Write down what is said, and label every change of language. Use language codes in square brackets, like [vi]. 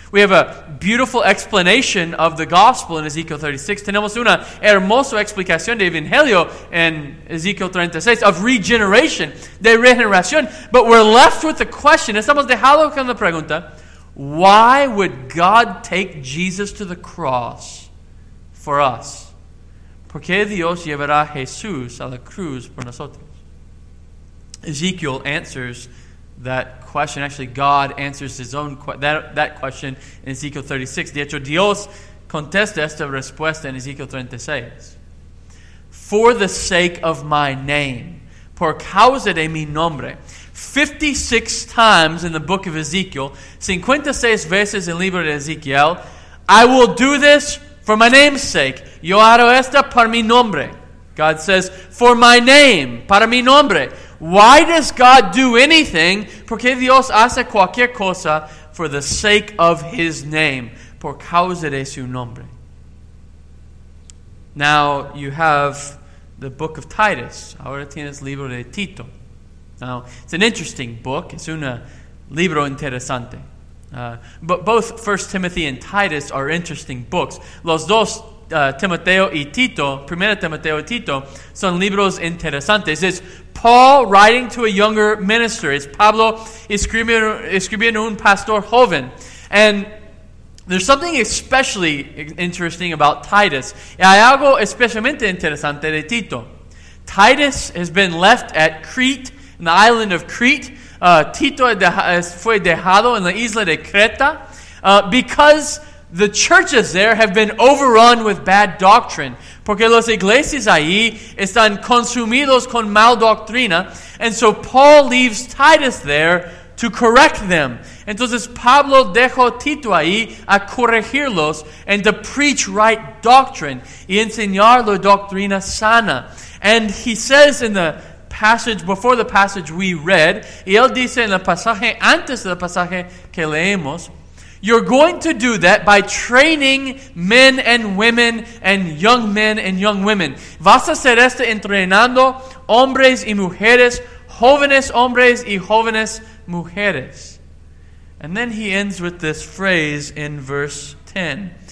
[en] We have a beautiful explanation of the gospel in Ezekiel 36. [es] Tenemos una hermosa explicación de Evangelio en Ezekiel 36 [en] of regeneration, [es] de regeneración. [en] But we're left with the question, [es] estamos dejando con la pregunta, [en] why would God take Jesus to the cross for us? [es] ¿Por qué Dios llevará Jesús a la cruz por nosotros? [en] Ezekiel answers that question. Actually, God answers his own that question in Ezekiel 36. [es] De hecho, Dios contesta esta respuesta en Ezekiel 36. [en] For the sake of my name, [es] por causa de mi nombre. [en] 56 times in the book of Ezekiel, [es] 56 veces en el libro de Ezekiel, [en] I will do this for my name's sake. [es] Yo haré esto para mi nombre. [en] God says, for my name, [es] para mi nombre. [en] Why does God do anything? [es] Porque Dios hace cualquier cosa [en] for the sake of his name. [es] Por causa de su nombre. [en] Now you have the book of Titus. [es] Ahora tienes el libro de Tito. [en] Now, it's an interesting book. [es] Es un libro interesante. [en] But both 1 Timothy and Titus are interesting books. [es] Los dos, Timoteo y Tito, 1 Timoteo y Tito, son libros interesantes. [en] It's Paul writing to a younger minister. It's [es] Pablo escribiendo un pastor joven. [en] And there's something especially interesting about Titus. [es] Hay algo especialmente interesante de Tito. [en] Titus has been left at Crete, in the island of Crete. [es] Tito fue dejado en la isla de Creta [en] because the churches there have been overrun with bad doctrine. [es] Porque las iglesias ahí están consumidos con mal doctrina. [en] And so Paul leaves Titus there to correct them. [es] Entonces Pablo dejó Tito ahí a corregirlos [en] and to preach right doctrine [es] y enseñar la doctrina sana. [en] And he says in the passage, before the passage we read, [es] y él dice en el pasaje, antes del pasaje que leemos, [en] you're going to do that by training men and women and young men and young women. [es] Vas a hacer esto entrenando hombres y mujeres, jóvenes hombres y jóvenes mujeres. [en] And then he ends with this phrase in verse 10.